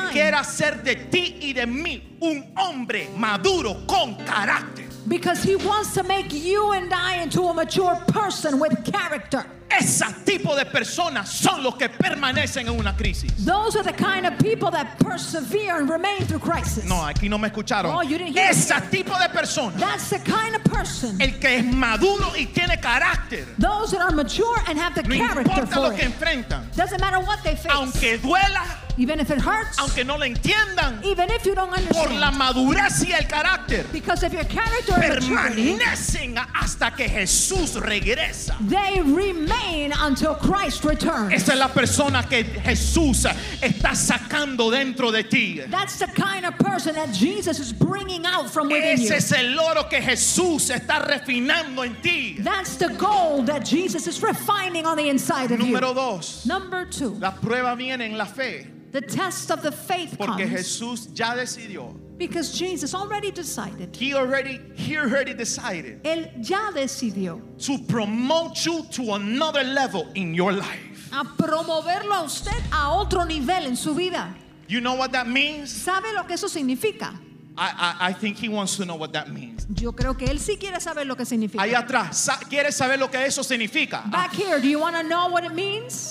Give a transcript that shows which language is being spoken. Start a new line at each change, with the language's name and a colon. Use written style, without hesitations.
Spanish: Porque quiere hacer de ti y de mí un hombre maduro con carácter.
English: Because he wants to make you and I into a mature person with character.
Spanish: Ese tipo de personas son los que permanecen en una crisis.
English: Those are the kind of people that persevere and remain through crisis.
Spanish: No, aquí no me escucharon.
English: Oh, you didn't hear.
Spanish: Ese tipo de personas.
English: That's the kind of person.
Spanish: El que es maduro y tiene carácter.
English: Those that are mature and have the
Spanish: no
English: character for it.
Spanish: No importa lo que enfrentan.
English: Doesn't matter what they face.
Spanish: Aunque duela.
English: Even if it hurts.
Spanish: Aunque no lo entiendan.
English: Even if you don't understand.
Spanish: Por la madurez y el carácter.
English: Because if your character is
Spanish: permanecen
English: maturity,
Spanish: hasta que Jesús regresa.
English: They remain until Christ returns.
Spanish: Esa es la persona que Jesús está sacando dentro de ti.
English: That's the kind of person that Jesus is bringing out from within
Spanish: ese
English: you.
Spanish: Ese es el oro que Jesús está refinando en ti.
English: That's the gold that Jesus is refining on the inside of
Spanish: Número
English: you.
Spanish: Dos.
English: Number two.
Spanish: La prueba viene en la fe.
English: The test of the faith
Spanish: porque
English: comes
Spanish: Jesús ya decidió,
English: because Jesus already decided. He already decided.
Spanish: Él ya decidió
English: to promote you to another level in your life.
Spanish: A promoverlo a usted a otro nivel en su vida.
English: You know what that means?
Spanish: ¿Sabe lo que eso significa?
English: I think he wants to know what that means.
Spanish: Yo creo que él sí quiere saber lo que significa. Ahí atrás, ¿quiere saber lo que eso significa?
English: Back here, do you want to know what it means?